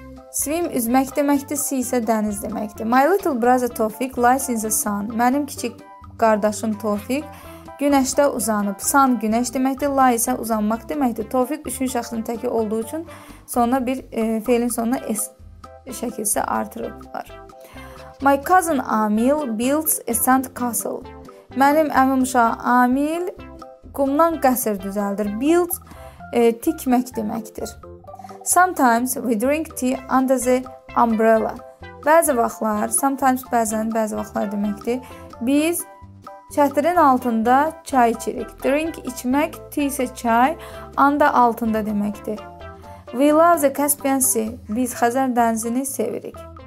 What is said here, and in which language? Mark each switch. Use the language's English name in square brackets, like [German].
[Azerbaijani] Swim üzmək deməkdir, sea isə dəniz deməkdir. [English] My little brother Tofiq lies in the sun. [Azerbaijani] Mənim kiçik qardaşım Tofiq günəşdə uzanıb. Sun günəş deməkdir, lie isə uzanmaq deməkdir. Tofiq üçüncü şəxsin təki olduğu üçün sonra bir feilin sonuna s şəkilsi artırıblar. [English] My cousin Amil builds a sand castle. [Azerbaijani] Mənim əmim uşağı Amil qumdan qəsr düzəldir. Build tikmək deməkdir. [English] Sometimes we drink tea under the umbrella. [Azerbaijani] Bəzi vaxtlar, sometimes bəzən, bəzi vaxtlar deməkdir. Biz çətirin altında çay içirik. Drink içmək, tea isə çay, anda altında deməkdir. [English] We love the Caspian Sea. [Azerbaijani] Biz Xəzər dənizini sevirik.